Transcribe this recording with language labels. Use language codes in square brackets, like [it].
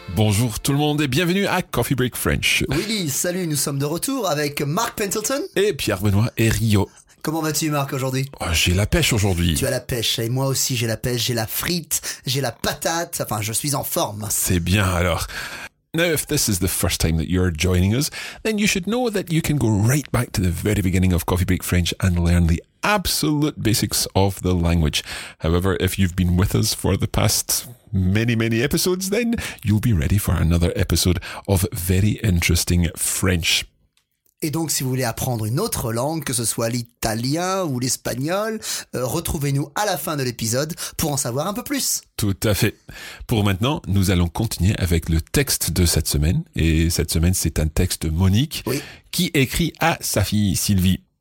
[fr] Bonjour tout le monde et bienvenue à Coffee Break French. Willy, salut, nous sommes de retour avec Marc Pendleton et Pierre-Benoît Herriot. Comment vas-tu Marc aujourd'hui? Oh, j'ai la pêche aujourd'hui. Tu as la pêche et moi aussi j'ai la pêche, j'ai la frite, j'ai la patate, enfin je suis en forme. C'est bien alors. [en] Now, if this is the first time that you're joining us, then you should know that you can go right back to the very beginning of Coffee Break French and learn the absolute basics of the language. However, if you've been with us for the past many, many episodes, then you'll be ready for another episode of very interesting French. [fr] Et donc, si vous voulez apprendre une autre langue, que ce soit l'italien ou l'espagnol, retrouvez-nous à la fin de l'épisode pour en savoir un peu plus. Tout à fait. Pour maintenant, nous allons continuer avec le texte de cette semaine. Et cette semaine, c'est un texte Monique qui écrit à sa fille Sylvie.